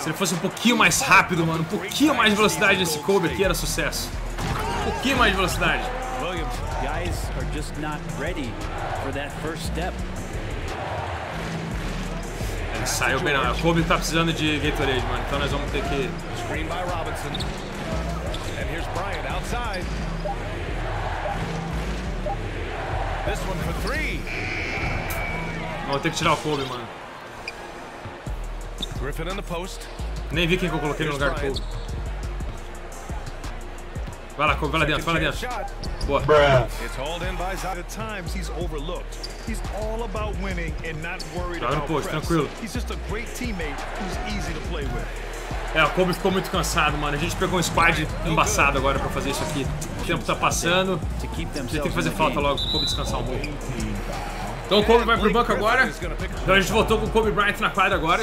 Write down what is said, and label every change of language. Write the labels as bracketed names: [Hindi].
[Portuguese] Se ele fosse um pouquinho mais rápido, mano, um pouquinho mais de velocidade nesse Kobe aqui era sucesso. Um pouquinho mais de velocidade. [English] Williams, guys are just not ready for that first step. [Portuguese] Ele saiu bem, não. O Kobe tá precisando de Gatorade, mano. Então nós vamos ter que. [English] Screen by Robinson. And here's Bryant outside. This one for three. [Portuguese] Vou ter que tirar o Kobe, mano. [English] Griffin in the post. [Portuguese] Nem vi quem que eu coloquei no lugar do Kobe. Vai lá, Kobe, vai lá dentro. Boa. [English] It's all in by Zaga Times, he's overlooked. He's all about winning and not worried about press. [Portuguese] Tranquilo. [English] He's just a great teammate who's easy to play with. [Portuguese] É, o Kobe ficou muito cansado, mano. A gente pegou um squad embaçado agora pra fazer isso aqui. O tempo tá passando. Você tem que fazer falta logo pro Kobe descansar um pouco. Então o Kobe vai pro banco agora. Então a gente voltou com o Kobe Bryant na quadra agora.